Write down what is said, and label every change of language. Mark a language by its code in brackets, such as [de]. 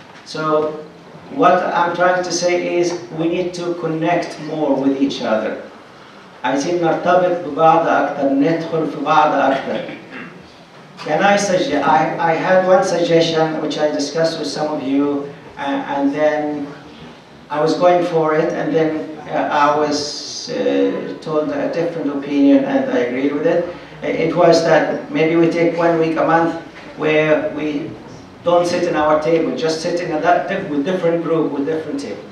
[en] So what I'm trying to say is we need to connect more with each other. [ar] عايزين نرتبط ببعض أكثر، ندخل في بعض أكثر. [en] Can I suggest, I had one suggestion which I discussed with some of you and then I was going for it and then I was told a different opinion and I agreed with it. It was that maybe we take 1 week a month where we don't sit in our table, just sit in a different group with different table.